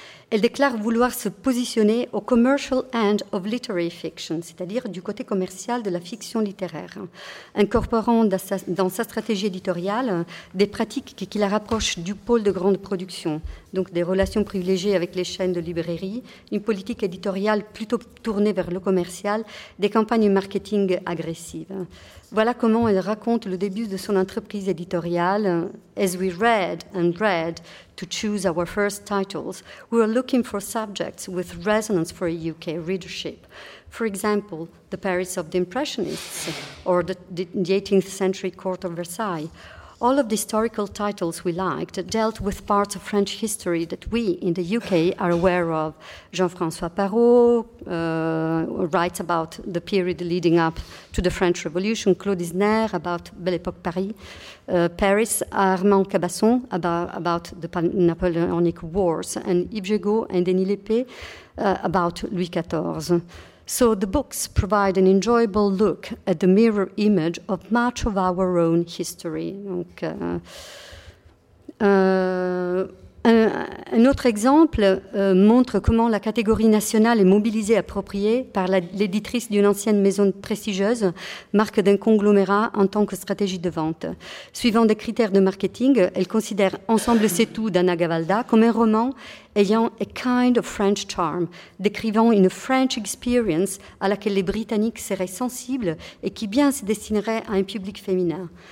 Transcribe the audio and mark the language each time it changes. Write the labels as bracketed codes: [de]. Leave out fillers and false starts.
[fr] Elle déclare vouloir se positionner au « [en] commercial end of literary fiction [fr] », c'est-à-dire du côté commercial de la fiction littéraire, incorporant dans sa stratégie éditoriale des pratiques qui la rapprochent du pôle de grande production, donc des relations privilégiées avec les chaînes de librairies, une politique éditoriale plutôt tournée vers le commercial, des campagnes marketing agressives. Voilà comment elle raconte le début de son entreprise éditoriale. [en] As we read and read to choose our first titles, we were looking for subjects with resonance for a UK readership. For example, the Paris of the Impressionists or the 18th century court of Versailles. All of the historical titles we liked dealt with parts of French history that we in the UK are aware of. Jean-François Parot writes about the period leading up to the French Revolution, Claude Isner about Belle Époque Paris, Paris, Armand Cabasson about the Napoleonic Wars, and Yves Jégot and Denis Lépée about Louis XIV. So the books provide an enjoyable look at the mirror image of much of our own history. [fr] Donc, un autre exemple montre comment la catégorie nationale est mobilisée et appropriée par l'éditrice d'une ancienne maison prestigieuse, marque d'un conglomérat en tant que stratégie de vente. Suivant des critères de marketing, elle considère Ensemble c'est tout d'Anna Gavalda comme un roman ayant [en] a kind of French charm, [fr] décrivant une [en] French experience [fr] à laquelle les Britanniques seraient sensibles et qui bien se destinerait à un public féminin.